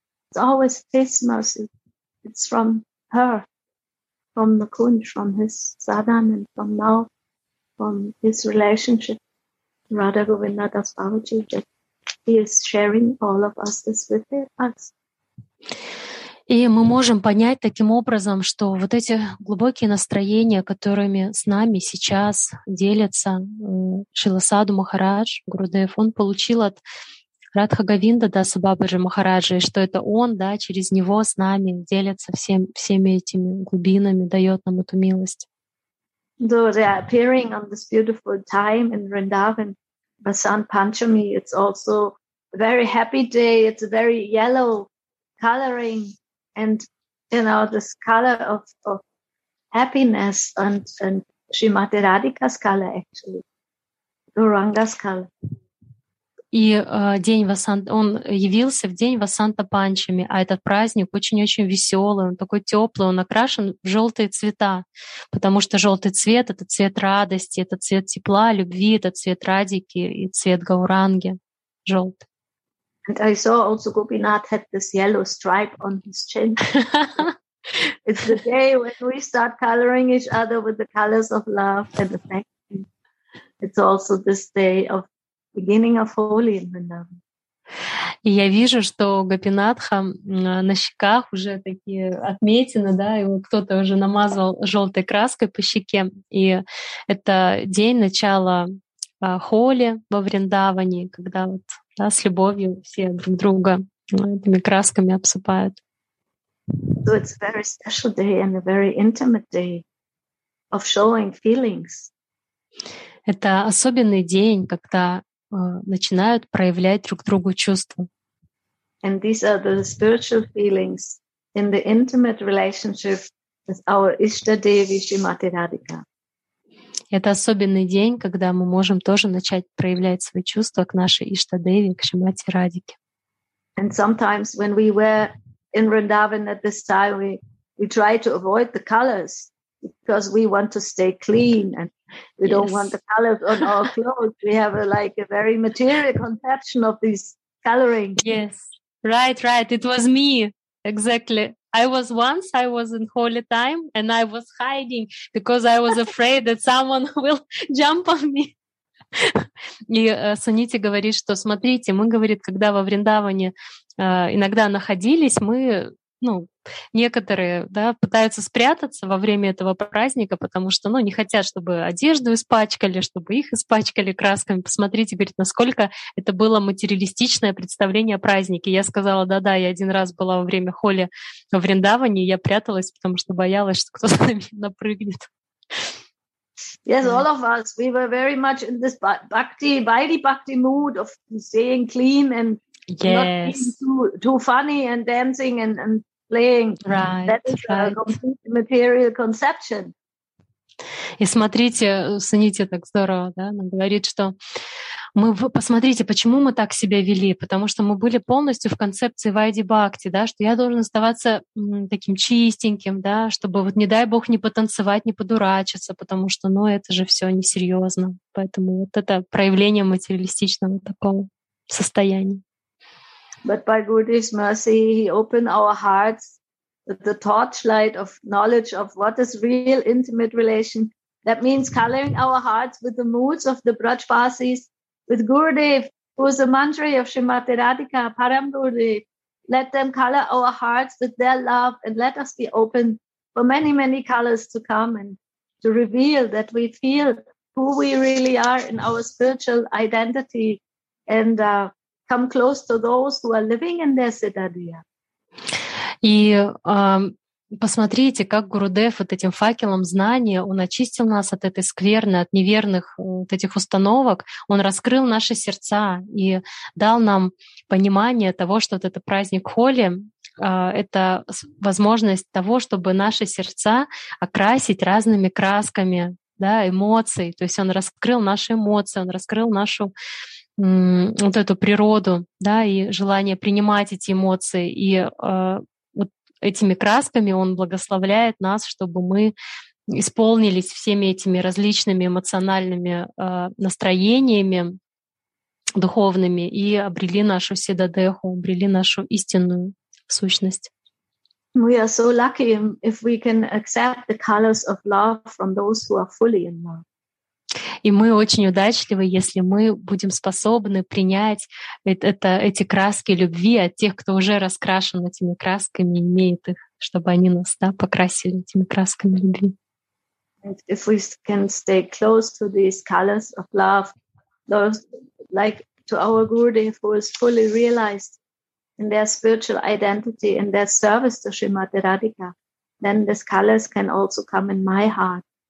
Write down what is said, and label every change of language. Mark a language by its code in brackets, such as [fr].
[en] It's always his mercy. It's from her, from the Kund, from his sadhan, and from now, from his relationship to Radha Govinda Das Babaji, that he is sharing all of us this with us. [ru] И мы можем понять таким образом, что вот эти глубокие настроения, которыми с нами сейчас делится Шрила Садху Махарадж, Гурудев, он получил от Радха Говинда Даса Бабаджи Махараджа, и что это он, да, через него с нами делится всеми этими глубинами, дает нам эту милость. [en] Though they are appearing on this beautiful time in Vrindavan, Basant Panchami, it's also a very happy day, it's a very yellow coloring. And you know, this color of happiness and Shrimati Radhika's color actually, Gauranga's color. [ru] И день Васанта, он явился в день Васанта Панчами, а этот праздник очень-очень веселый, он такой теплый, он окрашен в желтые цвета, потому что желтый цвет — это цвет радости, это цвет тепла, любви, это цвет Радики и цвет Гауранги, желтый. [en] And I saw also Gopinath had this yellow stripe on his chin. It's the day when we start coloring each other with the colors of love and affection. It's also this day of beginning of holy in Vrindavan. [ru] И я вижу, что Гопинатха на щеках уже такие отметины, да, его кто-то уже намазал желтой краской по щеке. И это день начала холи во Вриндаване, когда вот да, с любовью все друг друга этими красками обсыпают. [en] So it's a very special day and a very intimate day of showing feelings. [ru] Это особенный день, когда начинают проявлять друг другу чувства. [en] And these are the spiritual feelings in the intimate relationship with our Ishta Devi Shrimati Radhika. [ru] Это особенный день, когда мы можем тоже начать проявлять свои чувства к нашей Ишта-деви, к Шримати Радике. [en] And sometimes when we were in Vrindavan at this time, we try to avoid the colors because we want to stay clean and we don't want the colors on our clothes. We have a very material conception of this coloring. Yes, right. It was me, exactly. I was in holy time and I was hiding because I was afraid that someone will jump on me. [ru] И Сунити говорит, что смотрите, мы, говорит, когда во Вриндаване иногда находились, мы, ну, некоторые, да, пытаются спрятаться во время этого праздника, потому что, ну, не хотят, чтобы одежду испачкали, чтобы их испачкали красками. Посмотрите, говорит, насколько это было материалистичное представление о празднике. Я сказала, да-да, я один раз была во время холи во Вриндаване, я пряталась, потому что боялась, что кто-то на меня напрыгнет. [en] Yes, all of us, we were very much in this bhakti, bhairi bhakti mood of staying clean and yes, not being too funny and dancing and playing. Right, that is right. A complete material conception. [ru] И смотрите, Сунити так здорово, да, она говорит, что мы, посмотрите, почему мы так себя вели, потому что мы были полностью в концепции Вайди Бхакти, да, что я должен оставаться таким чистеньким, да, чтобы вот не дай бог не потанцевать, не подурачиться, потому что, ну, это же все несерьезно, поэтому вот это проявление материалистичного такого состояния. [en] But by Gurudev's mercy, he opened our hearts with the torchlight of knowledge of what is real intimate relation That means coloring our hearts with the moods of the Brajvasis, with Gurudev, who is a mantra of Srimati Radhika, Param Gurudev. Let them color our hearts with their love and let us be open for many, many colors to come and to reveal that we feel who we really are in our spiritual identity and come close to those who are living in their siddhadiya. [ru] И посмотрите, как Гурудев вот этим факелом знания, он очистил нас от этой скверны, от неверных вот этих установок, он раскрыл наши сердца и дал нам понимание того, что вот этот праздник Холи — это возможность того, чтобы наши сердца окрасить разными красками, да, эмоций. То есть он раскрыл наши эмоции, он раскрыл нашу вот эту природу, да, и желание принимать эти эмоции. И этими красками он благословляет нас, чтобы мы исполнились всеми этими различными эмоциональными настроениями духовными и обрели нашу седадеху, обрели нашу истинную сущность. [en] We are so lucky if we can accept the colors of love from those who are fully in love. [ru] И мы очень удачливы, если мы будем способны принять эти краски любви от тех, кто уже раскрашен этими красками, имеет их, чтобы они нас, да, покрасили этими красками любви. [en] If we can stay close to these colors of love, those, like to our Gurudev, who is fully realized in their spiritual identity, in their service to Srimati Radhika, then these colors can also come in my heart.